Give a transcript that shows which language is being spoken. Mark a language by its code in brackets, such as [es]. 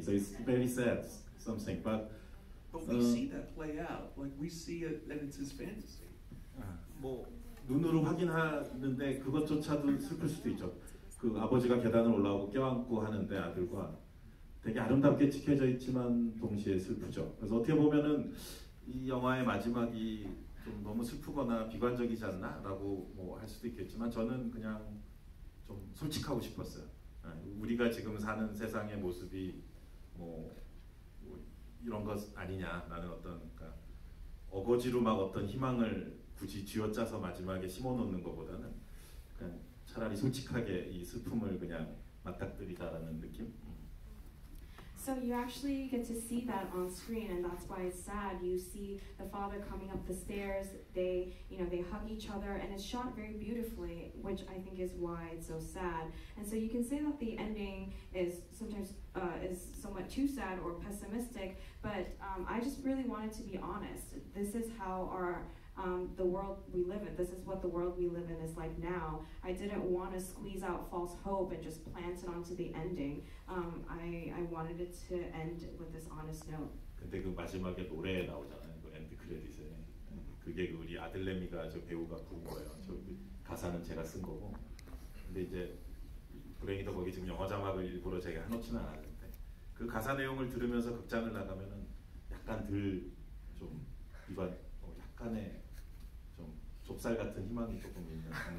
[en] So it's very sad, something. But we see that play out. Like we see it, and it's his fantasy. [ko] 뭐 눈으로 확인하는데 그것조차도 슬플 수도 있죠. 그 아버지가 계단을 올라오고 껴안고 하는데 아들과 되게 아름답게 찍혀져 있지만 동시에 슬프죠. 그래서 어떻게 보면은 이 영화의 마지막이 좀 너무 슬프거나 비관적이지 않나라고 뭐 할 수도 있겠지만 저는 그냥 좀 솔직하고 싶었어요. 우리가 지금 사는 세상의 모습이 뭐 이런 것 아니냐라는 어떤 그러니까 어거지로 막 어떤 희망을 굳이 쥐어짜서 마지막에 심어놓는 것보다는 그냥 차라리 솔직하게 이 슬픔을 그냥 맞닥뜨리다라는 느낌. [en] So you actually get to see that on screen, and that's why it's sad. You see the father coming up the stairs. They, you know, they hug each other, and it's shot very beautifully, which I think is why it's so sad. And so you can say that the ending is sometimes is somewhat too sad or pessimistic, but I just really wanted to be honest. This is how our the world we live in. This is what the world we live in is like now. I didn't want to squeeze out false hope and just plant it onto the ending. I wanted it to end with this honest note. [ko] 근데 그 마지막에 노래 나오잖아요. 그 엔드 크레딧에 그게 우리 아들내미가 저 배우가 부른 거예요. 저 가사는 제가 쓴 거고. 근데 이제 불행히도 거기 지금 영어 자막을 일부러 제가 해놓지는 않았는데 그 가사 내용을 들으면서 극장을 나가면은 약간 덜 좀 이건 약간의 좀 좁쌀 같은 희망이 조금 있는.